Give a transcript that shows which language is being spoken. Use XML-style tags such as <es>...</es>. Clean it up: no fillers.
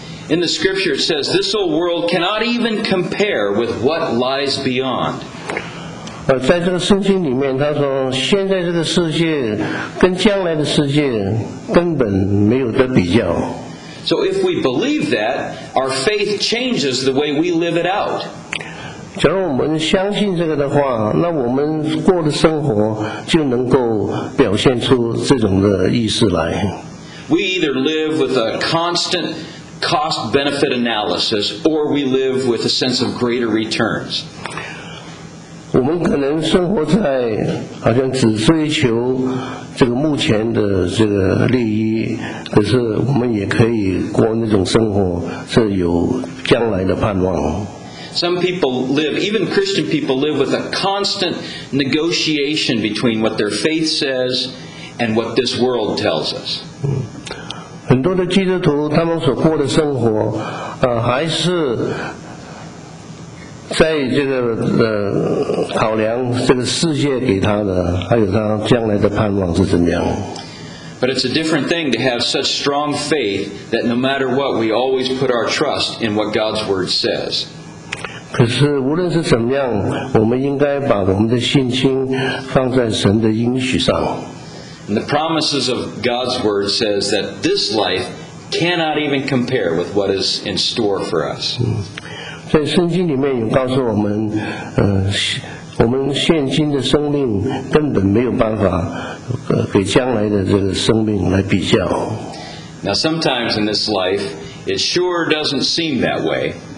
<en>In the scripture it says, this old world cannot even compare with what lies beyond.</en> <zh>在这个圣经里面，他说现在这个世界跟将来的世界根本没有得比较。</zh> <en>So if we believe that, our faith changes the way we live it out.</en> <zh>假如我们相信这个的话，那我们过的生活就能够表现出这种的意思来。</zh> <en>We either live with a constant cost-benefit analysis, or we live with a sense of greater returns.</en> <zh>我们可能生活在好像只追求这个目前的这个利益，可是我们也可以过那种生活是有将来的盼望。</zh> <en>Some people live, even Christian people live with a constant negotiation between what their faith says and what this world tells us.</en> <zh>很多的基督徒他们所过的生活还是在这个考量这个世界给他的，还有他将来的盼望是怎么样。</zh> <en>But it's a different thing to have such strong faith that no matter what, we always put our trust in what God's Word says.</en> <zh>可是无论是怎么样，我们应该把我们的信心放在神的应许上。</zh> <en>And the promises of God's Word says that this life cannot even compare with what is in store for us.</en> <zh>在圣经里面有告诉我们，我们现今的生命根本没有办法给将来的这个生命来比较。</zh> <en>Now sometimes in this life, it sure doesn't seem that way.</en>